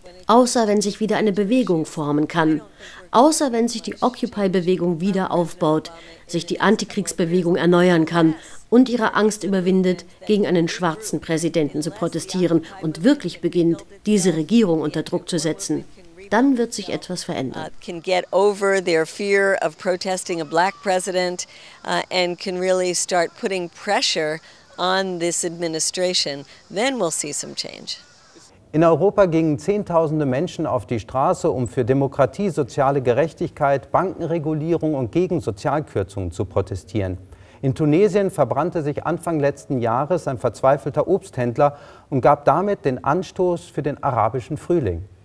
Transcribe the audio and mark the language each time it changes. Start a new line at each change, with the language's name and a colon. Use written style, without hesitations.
German: Außer wenn sich wieder eine Bewegung formen kann. Außer wenn sich die Occupy-Bewegung wieder aufbaut, sich die Antikriegsbewegung erneuern kann und ihre Angst überwindet, gegen einen schwarzen Präsidenten zu protestieren und wirklich beginnt, diese Regierung unter Druck zu setzen. Dann wird sich etwas verändern.
English: Can get over their fear of protesting a black president and can really start putting pressure on this administration. Then we'll see some change.
German: In Europa gingen Zehntausende Menschen auf die Straße, um für Demokratie, soziale Gerechtigkeit, Bankenregulierung und gegen Sozialkürzungen zu protestieren. In Tunesien verbrannte sich Anfang letzten Jahres ein verzweifelter Obsthändler und gab damit den Anstoß für den arabischen Frühling.